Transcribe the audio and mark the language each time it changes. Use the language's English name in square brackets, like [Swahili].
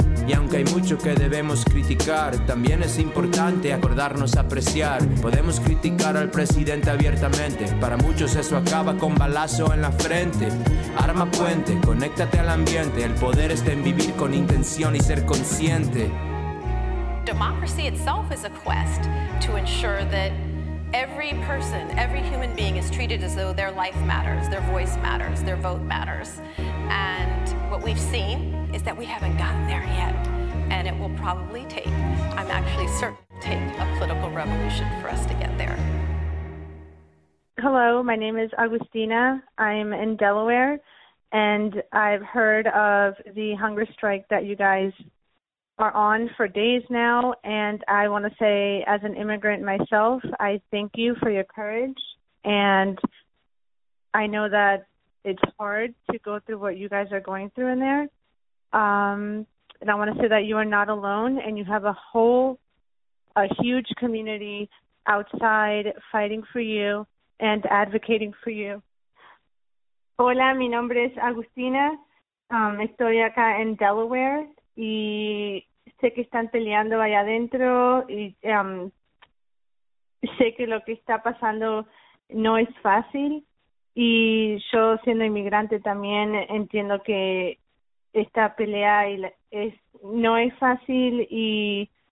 [Spanish] Y aunque hay mucho que debemos criticar, también es importante acordarnos apreciar. Podemos criticar al presidente abiertamente, para muchos eso acaba con balazo en la frente. Arma puente, conéctate al ambiente, el poder está en vivir con intención y ser consciente. [English] Democracy itself is a quest to ensure that every person, every human being is treated as though their life matters, their voice matters, their vote matters. And what we've seen is that we haven't gotten there yet. And it will probably take, I'm actually certain, take a political revolution for us to get there. Hello, my name is Agustina. I'm in Delaware, and I've heard of the hunger strike that you guys are on for days now, and I want to say, as an immigrant myself, I thank you for your courage, and I know that it's hard to go through what you guys are going through in there, and I want to say that you are not alone, and you have a huge community outside fighting for you and advocating for you. [Spanish] Hola, mi nombre es Agustina. Estoy acá en Delaware, y sé que están peleando allá adentro, y sé que lo que está pasando no es fácil, y yo, siendo inmigrante, también entiendo que esta pelea no es fácil y